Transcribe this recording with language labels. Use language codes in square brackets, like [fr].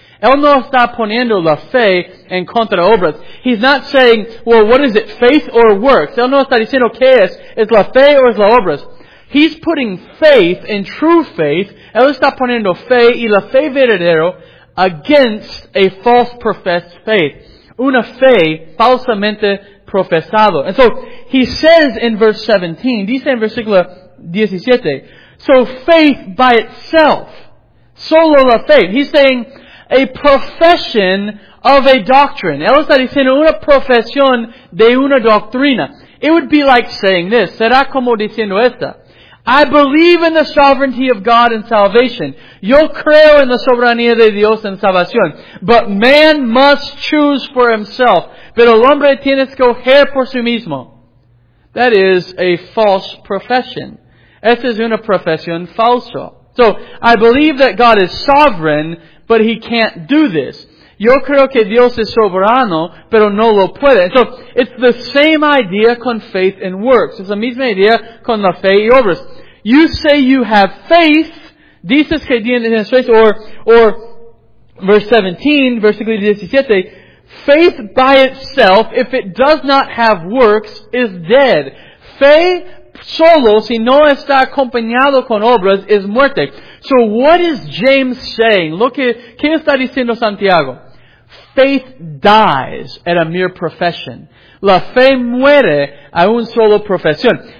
[es] Él no está poniendo la fe en contra obras. [en] He's not saying, well, what is it, faith or works? [es] Él no está diciendo, ¿qué es la fe o es la obras? [en] He's putting faith and true faith, [es] él está poniendo fe y la fe verdadero [en] against a false professed faith. [es] Una fe falsamente profesado. [en] And so, he says in verse 17, [es] dice en versículo 17, [en] so faith by itself, [es] solo la fe. [en] He's saying a profession of a doctrine. [es] Él está diciendo una profesión de una doctrina. [en] It would be like saying this. [es] Será como diciendo esta. [en] I believe in the sovereignty of God and salvation. [es] Yo creo en la soberanía de Dios en salvación. [en] But man must choose for himself. [es] Pero el hombre tiene que escoger por sí mismo. [en] That is a false profession. [es] Esa es una profesión falsa. [en] So, I believe that God is sovereign, but he can't do this. [es] Yo creo que Dios es soberano, pero no lo puede. [en] So, it's the same idea con faith and works. [es] Es la misma idea con la fe y obras. [en] You say you have faith, [es] dices que tienes [en] faith, or verse 17, [es] versículo 17, [en] faith by itself, if it does not have works, is dead. [es] Fe solo, si no está acompañado con obras, es muerte. [en] So, what is James saying? Look at, [es] ¿qué está diciendo Santiago? [en] Faith dies at a mere profession. [es] La fe muere a un solo profesión.